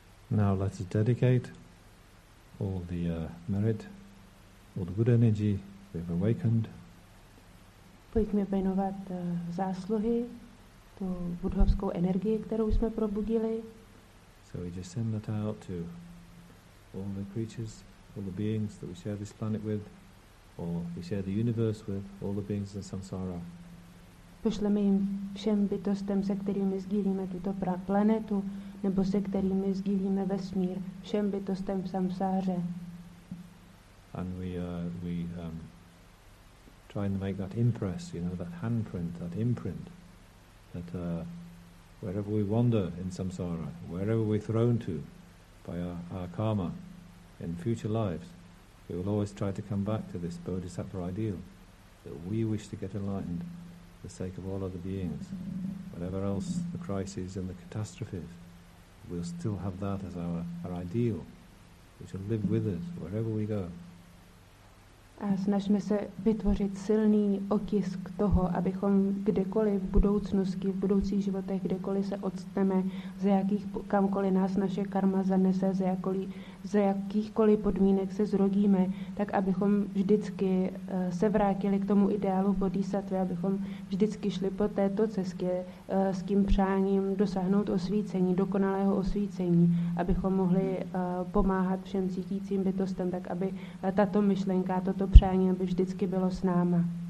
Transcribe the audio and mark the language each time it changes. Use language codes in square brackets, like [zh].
[en] Now let us dedicate all the merit, all the good energy we have awakened. [cs] Pojďme věnovat zásluhy, tu buddhovskou energii, kterou jsme probudili. [en] So we just send that out to all the creatures, all the beings that we share this planet with, or we share the universe with, all the beings in samsara. [cs] Pošleme jim všem bytostem, se kterými sdílíme tuto planetu, nebo se kterými sdílíme vesmír, všem bytostem v samsáře. [en] And we try and make that impress, you know, that handprint, that imprint, that wherever we wander in samsara, wherever we're thrown to by our karma in future lives, We will always try to come back to this bodhisattva ideal that we wish to get enlightened for the sake of all other beings. Whatever else the crises and the catastrophes, we'll still have that as our ideal, which will live with us wherever we go. [cs] A snažme se vytvořit silný otisk toho, abychom kdekoliv v budoucích životech, kdekoliv se odstneme, kamkoliv nás naše karma zanese, za jakýchkoliv podmínek se zrodíme, tak abychom vždycky se vrátili k tomu ideálu bodhisattva, abychom vždycky šli po této cestě s tím přáním dosáhnout osvícení, dokonalého osvícení, abychom mohli pomáhat všem cítícím bytostem, tak aby tato myšlenka, toto přání, aby vždycky bylo s náma.